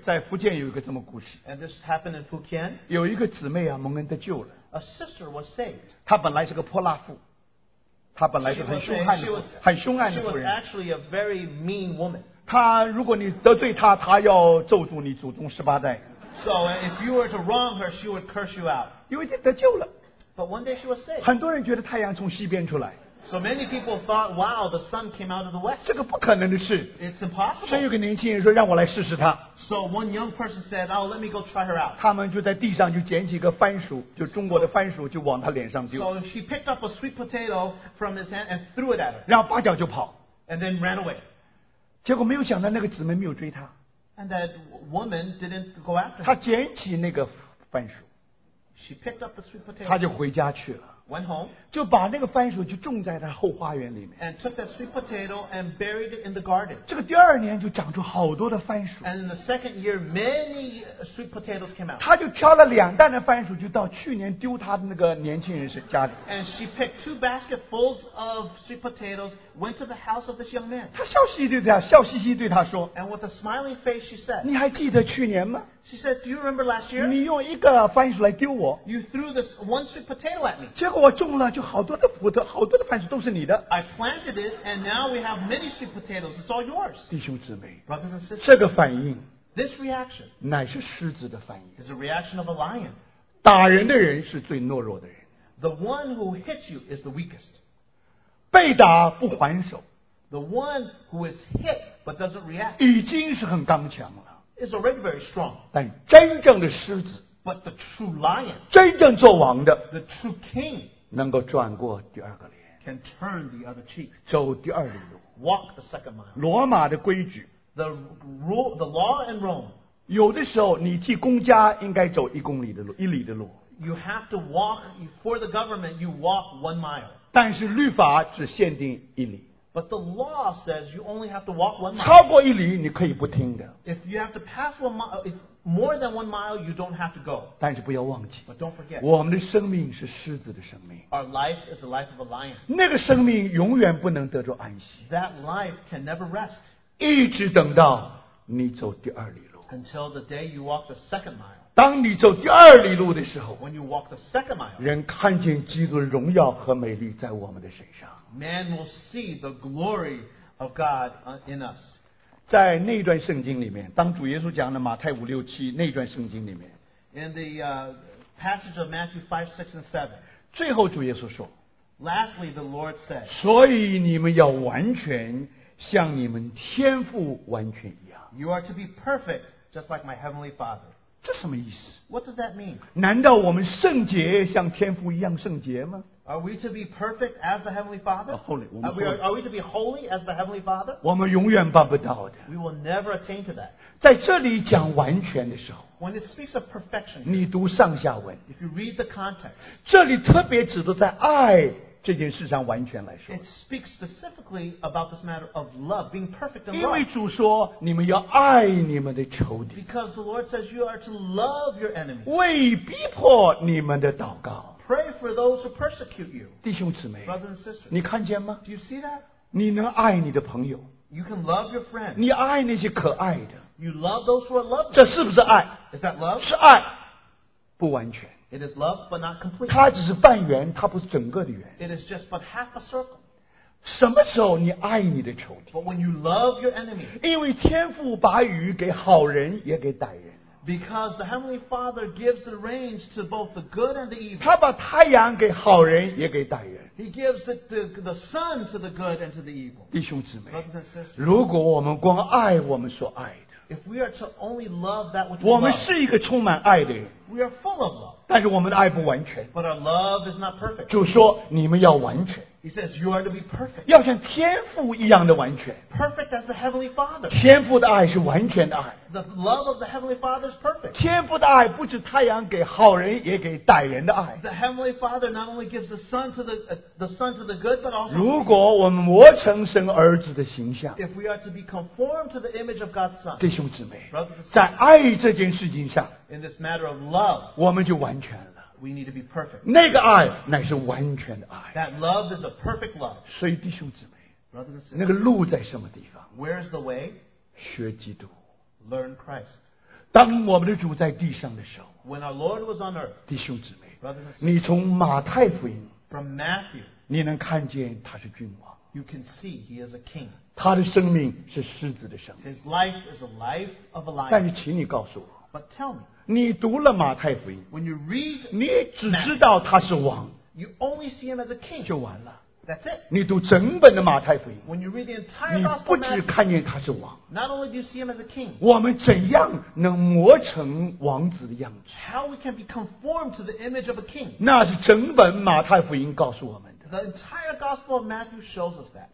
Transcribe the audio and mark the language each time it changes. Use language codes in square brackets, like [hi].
[zh] 在福建有一个这么故事, [en] and this happened in Fujian. [zh] 有一个姊妹啊, 蒙恩得救了, [en] a sister was saved. [zh] 她本来是个泼辣妇, 她本来是很凶悍的, [en] she was [zh] 很凶悍的妇人, [en] she was actually a very mean woman. [zh] 她如果你得罪她, 她要咒诅你祖宗十八代, [en] so if you were to wrong her, she would curse you out. [zh] 因为她得救了, [en] but one day she was saved. [zh] 很多人觉得太阳从西边出来, [en] so many people thought, wow, the sun came out of the west. [zh] 这个不可能的事, [en] it's impossible. [zh] 所以有个年轻人说, 让我来试试他, [en] so one young person said, oh, let me go try her out. [zh] 他们就在地上就捡起一个番薯, 就中国的番薯, 就往他脸上丢, [en] so she picked up a sweet potato from his hand and threw it at her. [zh] 然后拔脚就跑, [en] and then ran away. [zh] 结果没有想到那个姊妹没有追他, [en] and that woman didn't go after her. [zh] 她捡起那个番薯, [en] she picked up the sweet potato, [zh] 她就回家去了, [en] went home, [zh] 就把那个番薯就种在他后花园里面, [en] and took that sweet potato and buried it in the garden. [zh] 这个第二年就长出好多的番薯, [en] and in the second year, many sweet potatoes came out. [zh] 他就挑了两担的番薯就到去年丢他的那个年轻人家里, [en] and she picked two basketfuls of sweet potatoes, went to the house of this young man. [zh] 他笑嘻嘻对他说, [en] and with a smiling face she said, [zh] 你还记得去年吗? [en] She said, do you remember last year? [zh] 你用一个番薯来丢我, [en] you threw this one sweet potato at me. [zh] 我种了就好多的葡萄，好多的番薯都是你的。 [en] I planted it and now we have many sweet potatoes. It's all yours. [zh] 弟兄姊妹, [en] brothers and sisters, [zh] 这个反应, [en] this reaction, [zh] 乃是狮子的反应, [en] is a reaction of a lion. [zh] 打人的人是最懦弱的人, [en] the one who hits you is the weakest. [zh] 被打不还手, [en] the one who is hit but doesn't react, [zh] 已经是很刚强了, [en] is already very strong. [zh] 但真正的狮子, [en] but the true lion, [zh] 真正做王的, [en] the true king, [zh] 能够转过第二个脸, [en] can turn the other cheek, [zh] 走第二里路, [en] walk the second mile. [zh] 罗马的规矩, [en] the rule, the law in Rome, [zh] 有的时候你替公家应该走一公里的路, 一里的路, [en] you have to walk for the government, you walk 1 mile. [zh] 但是律法只限定一里, [en] but the law says you only have to walk 1 mile. [zh] 超过一里你可以不听的, [en] if you have to pass 1 mile, if more than 1 mile, you don't have to go. [zh] 但是不要忘记, [en] but don't forget, [zh] 我们的生命是狮子的生命, [en] our life is the life of a lion. [zh] 那个生命永远不能得着安息, [en] that life can never rest, [zh] 一直等到你走第二里路, [en] until the day you walk the second mile. [zh] 当你走第二里路的时候, [en] when you walk the second mile, [zh] 人看见基督的荣耀和美丽在我们的身上, [en] man will see the glory of God in us. [zh] 在那段圣经里面, 当主耶稣讲的马太五六七, 那段圣经里面, [en] in the passage of Matthew 5, 6, and 7, [zh] 最后主耶稣说, [en] lastly the Lord said, [zh] 所以你们要完全像你们天父完全一样, [en] you are to be perfect just like my heavenly father. [zh] 这什么意思? [en] What does that mean? [zh] 难道我们圣洁像天父一样圣洁吗? [en] Are we to be perfect as the Heavenly Father? Are we to be holy as the Heavenly Father? [zh] 我们永远办不到的, [en] we will never attain to that. [zh] 在这里讲完全的时候, [en] when it speaks of perfection, [zh] 你读上下文, [en] if you read the context, [zh] 这里特别指的在爱这件事上完全来说, [en] it speaks specifically about this matter of love, being perfect in love. [zh] 因为主说你们要爱你们的仇敌, [en] because the Lord says you are to love your enemies. [zh] 为逼迫你们的祷告, [en] pray for those who persecute you. [zh] 弟兄姊妹, [en] brothers and sisters, [zh] 你看见吗? [en] Do you see that? [zh] 你能爱你的朋友, [en] you can love your friend. [zh] 你爱那些可爱的, [en] you love those who are loved. [zh] 这是不是爱? [en] Is that love? [zh] 是爱, 不完全, [en] it is love but not complete. [zh] 它只是半圆, 它不是整个的圆, [en] it is just but half a circle. [zh] 什么时候你爱你的仇敌? [en] But when you love your enemy. [zh] 因为天父把雨给好人也给歹人, [en] because the Heavenly Father gives the rains to both the good and the evil. [zh] 他把太阳给好人也给歹人, [en] He gives the sun to the good and to the evil. [zh] 弟兄姊妹, [en] Brothers and sisters, [zh] 如果我们光爱我们所爱的, [en] if we are to only love that which [zh] 我们是一个充满爱的人, [en] we are full of love. [zh] 但是我们的爱不完全, [en] but our love is not perfect. [zh] 就说你们要完全, [en] he says, you are to be perfect. [zh] 要像天父一样的完全, [en] perfect as the Heavenly Father. [zh] 天父的爱是完全的爱, [en] the love of the Heavenly Father is perfect. [zh] 天父的爱不止太阳给好人也给歹人的爱, [en] the Heavenly Father not only gives the Son to the good, but also [zh] 如果我们磨成神儿子的形象, [en] if we are to be conformed to the image of God's Son, [zh] 弟兄姊妹, [en] brothers, [zh] 在爱这件事情上, [en] in this matter of love, [zh] 我们就完全了, [en] we need to be perfect. [zh] 那个爱乃是完全的爱, [en] that love is a perfect love. [zh] 所以弟兄姊妹, [en] brothers and sisters, [zh] 那个路在什么地方? [en] Where is the way? [zh] 学基督, [en] learn Christ. [zh] 当我们的主在地上的时候, [en] when our Lord was on earth, [zh] 弟兄姊妹, [en] brothers and sisters, [zh] 你从马太福音, [en] from Matthew, [zh] 你能看见他是君王, [en] you can see he is a king. [zh] 他的生命是狮子的生命, [en] his life is a life of a lion. [zh] 但是请你告诉我, [en] but tell me, [zh] 你读了马太福音, [en] when you read Matthew, [zh] 你只知道他是王, [en] you only see him as a king, [zh] 就完了, [en] that's it. [zh] 你读整本的马太福音, [en] when you read the entire gospel, [zh] 你不只看见他是王, [en] not only do you see him as a king, [zh] 我们怎样能磨成王子的样子, [en] how we can be conformed to the image of a king, [zh] 那是整本马太福音告诉我们的, [en] the entire gospel of Matthew shows us that.